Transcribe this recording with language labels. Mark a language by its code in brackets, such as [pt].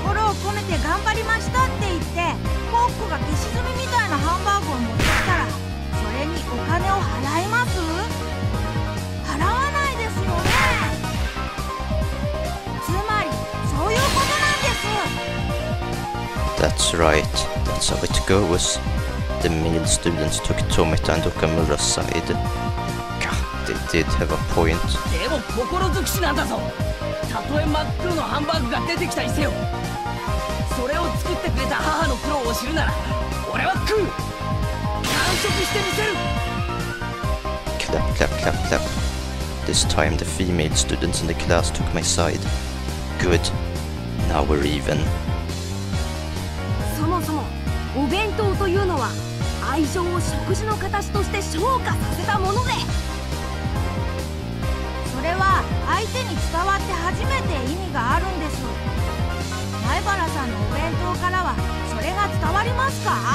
[ja] 込めて頑張りましたって言って、コックが消し炭みたいなハンバーグを持ってきたら、それにお金を払います？払わないですよね。つまりそういうことなんです。 [en] That's right, that's how it goes. The male students took Tomita and Okamura's side. God, they did have a point. [ja] でも心づくしなんだぞ。たとえ真っ黒のハンバーグが出てきたにせよ、それを作ってくれた母の苦労を知るなら俺は食う。完食してみせる。 [en] Clap, clap, clap, clap. This time the female students in the class took my side. Good. Now we're even. [ja] そもそもお弁当というのは愛情を食事の形として昇華させたもので、それは相手に伝わって初めて意味があるんです。前原さんのお弁当からはそれが伝わりますか？